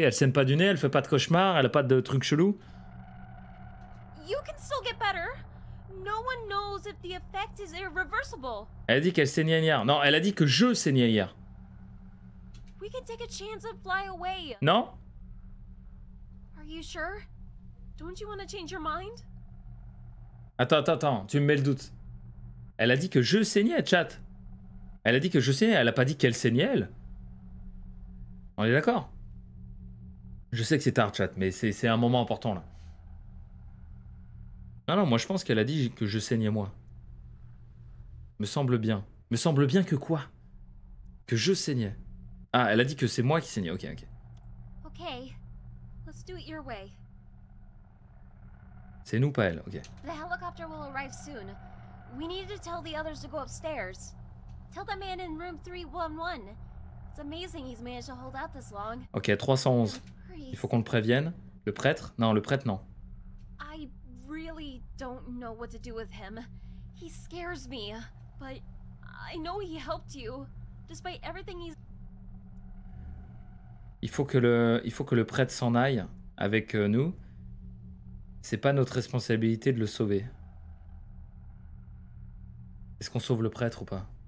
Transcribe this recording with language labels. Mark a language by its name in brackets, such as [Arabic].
[French] Elle saigne pas du nez, elle fait pas de cauchemar, elle a pas de trucs chelous. [English] You can still get better. No one knows if the effect is irreversible. [French] Elle a dit qu'elle saignait hier. Non, elle a dit que je saignais hier. [English] We can take a chance and fly away. [French] Non? [English] Are you sure? Don't you want to change your mind? [French] Attends, tu me mets le doute. Elle a dit que je saignais, chat. Elle a dit que je saignais, elle a pas dit qu'elle saignait, elle. On est d'accord? Je sais que c'est tard, chat, mais c'est un moment important, là. Non, moi je pense qu'elle a dit que je saignais, moi. Me semble bien. Me semble bien que quoi? Que je saignais. Ah, elle a dit que c'est moi qui saignais, ok. [English] Ok, let's do it your way. [French] C'est nous, pas elle, ok. [English] The helicopter will arrive soon. We need to tell the others to go upstairs. Tell the man in room 311. It's amazing he's managed to hold out this long. [French] Ok, 311. Il faut qu'on le prévienne. Le prêtre? Non, le prêtre, non. [English] I really don't know what to do with him. He scares me. But I know he helped you. Despite everything he's... [French] Il faut que le prêtre s'en aille avec nous. C'est pas notre responsabilité de le sauver. Est-ce qu'on sauve le prêtre ou pas?